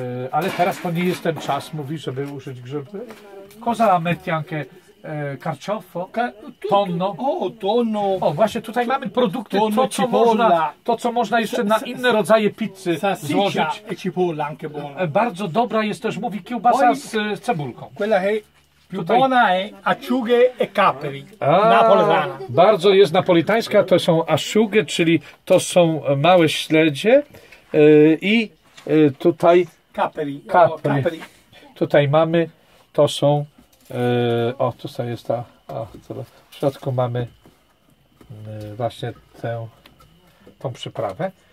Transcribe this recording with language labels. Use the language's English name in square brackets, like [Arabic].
[Polish] Ale teraz to nie jest ten czas, mówi, żeby użyć grzyby. [Italian] Cosa metti anche carciofo? Tonno? Tonno. [Polish] O, właśnie tutaj mamy produkty, to co można jeszcze na inne rodzaje pizzy złożyć. [Italian] E cipolla anche buona. [Polish] Bardzo dobra jest też, mówi, kiełbasa z cebulką. [Italian] Quella che più buona è acciughe e capperi, napoletana. [Polish] Bardzo jest napolitańska, to są acciughe, czyli to są małe śledzie i tutaj [Italian] capperi. [Polish] Tutaj mamy, to są tutaj jest ta, w środku mamy właśnie tą przyprawę.